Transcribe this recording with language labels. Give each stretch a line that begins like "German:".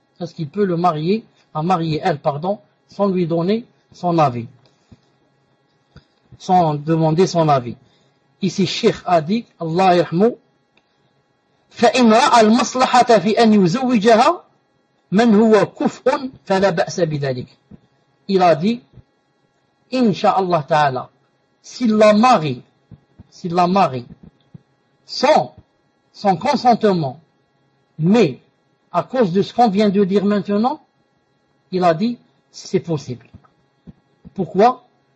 French: Est-ce qu'il peut marier elle, sans lui donner son avis, sans demander son avis. Ici, Cheikh a dit,
Arabic: Allah irhamou, فَإِنْ رَأَ الْمَصْلَحَةَ فِي أَنْ يُزَوِّجَهَا مَنْ هُوَ كُفْءٌ فَلَا بَأْسَ بِذَلِكَ.
French: Il a dit, Inch'Allah ta'ala, s'il la marie, sans son consentement, mais à cause de ce qu'on vient de dire maintenant, il a dit, c'est possible. Pourquoi?